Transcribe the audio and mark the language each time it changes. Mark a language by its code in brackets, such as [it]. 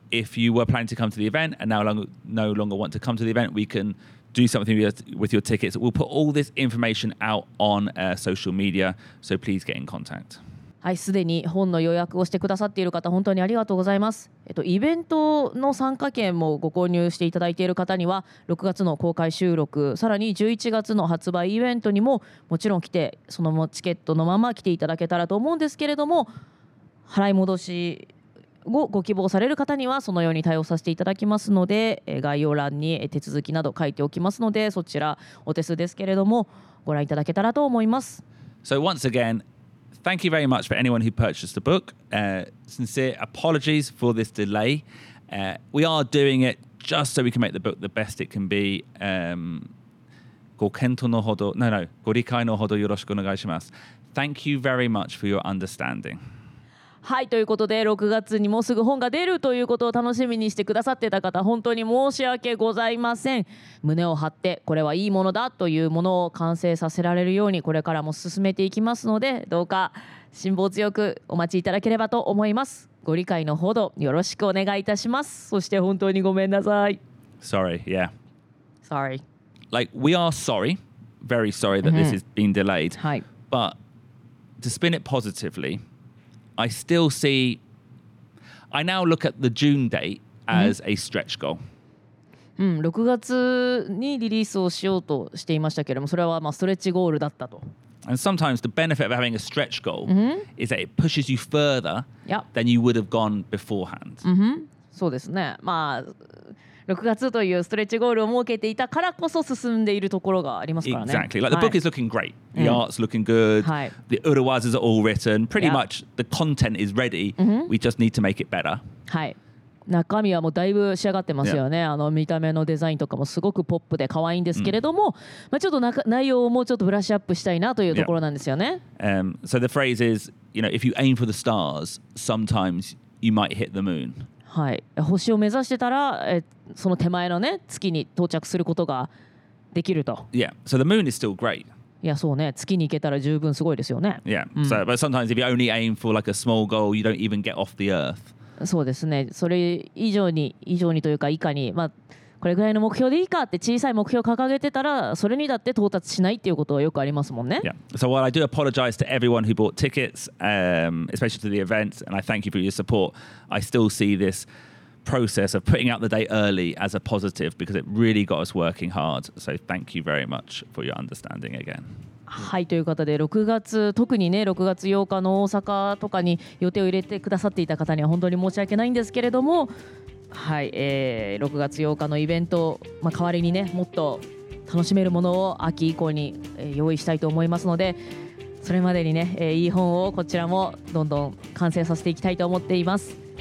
[en] If you were planning to come to the event and now no longer want to come to the event, we can do something with your tickets. We'll put all this information out on social media, so please get in contact. [ja] はい、すでに本の予約をしてくださっている方、本当にありがとうございます。イベントの参加券もご購入していただいている方には、6月の公開収録、さらに11月の発売イベントにももちろん来て、そのチケットのまま来ていただけたらと思うんですけれども、払い戻しをご希望される方にはそのように対応させていただきますので、概要欄に手続きなど書いておきますので、そちらお手数ですけれどもご覧いただけたらと思います。 [en] So once againThank you very much for anyone who purchased the book. Sincere apologies for this delay. We are doing it just so we can make the book the best it can be. [ja] ご検討のほど、no, ご理解のほどよろしくお願いします。 [en] Thank you very much for your understanding. [ja] はい、ということで、6月にもうすぐ本が出るということを楽しみにしてくださってた方、本当に申し訳ございません。胸を張って、これはいいものだというものを完成させられるように、これからも進めていきますので、どうか辛抱強くお待ちいただければと思います。ご理解のほどよろしくお願いいたします。そして本当にごめんなさい。 [en] Sorry, yeah. Sorry. Like, we are sorry, very sorry that this has been delayed. [ja] はい。 [en] But to spin it positively,I still see, I now look at the June date as a stretch goal. [ja] 6月にリリースをしようとしていましたけれども、それはまあストレッチゴールだったと。 [en] And sometimes the benefit of having a stretch goal is that it pushes you further than you would have gone beforehand. [ja] そうですね。まあ、6月というストレッチゴールを設けていたからこそ進んでいるところがありますからね。 [en] Exactly. Like the book is looking great. The art's looking good. The urawazas are all written. Pretty much the content is ready. We just need to make it better. [ja] はい。中身はもうだいぶ仕上がってますよね。あの見た目のデザインとかもすごくポップで可愛いんですけれども、まあちょっと内容をもうちょっとブラッシュアップしたいなというところなんですよね。 [en] So the phrase is, you know, if you aim for the stars, sometimes you might hit the moon. [ja] はい、星を目指してたら、その手前のね、月に到着することができると。 [en] Yeah, so the moon is still great. [ja] いやそうね、月に行けたら十分すごいですよね。 [en] Yeah, so but sometimes if you only aim for like a small goal, you don't even get off the earth. [ja] そうですね、それ以上にというか以下に、まあこれぐらいの目標でいいかって小さい目標を掲げてたらそれにだって到達しないっていうことはよくありますもんね。 [en] Yeah. So while I do apologize to everyone who bought tickets, especially to the events, and I thank you for your support, I still see this process of putting out the date early as a positive because it really got us working hard. So thank you very much for your understanding again. [ja] はい、ということで6月、特にね6月8日の大阪とかに予定を入れてくださっていた方には本当に申し訳ないんですけれども、はい、6月8日のイベント、まあ、代わりにねもっと楽しめるものを秋以降に用意したいと思いますので、それまでにね、いい本をこちらもどんどん完成させていきたいと思っています。